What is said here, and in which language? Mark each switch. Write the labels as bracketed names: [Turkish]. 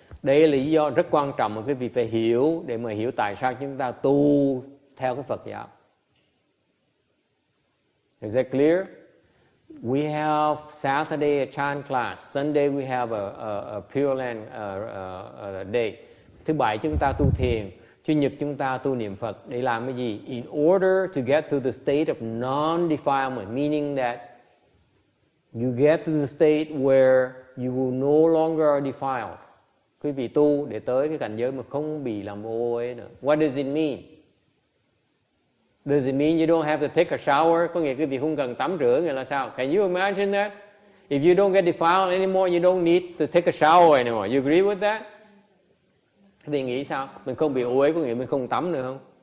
[Vietnamese] Đây là lý do rất quan trọng mà quý vị phải hiểu để mà hiểu tại sao chúng ta tu theo cái Phật giáo. [English] Is that clear? We have Saturday a chant class. Sunday we have a Pure Land day. [Vietnamese] Thứ bảy chúng ta tu thiền. Chủ nhật chúng ta tu niệm Phật. Để làm cái gì? [English] In order to get to the state of non-defilement, meaning that you get to the state where you will no longer are defiled. [Vietnamese] Quý vị tu để tới cái cảnh giới mà không bị làm ô uế nữa. [English] What does it mean? Does it mean you don't have to take a shower? [Vietnamese] Có nghĩa quý vị không cần tắm rửa nghĩa là sao? [English] Can you imagine that? If you don't get defiled anymore, you don't need to take a shower anymore. You agree with that? [Vietnamese] Thì nghĩ sao? Mình không bị ô uế có nghĩa mình không tắm nữa không?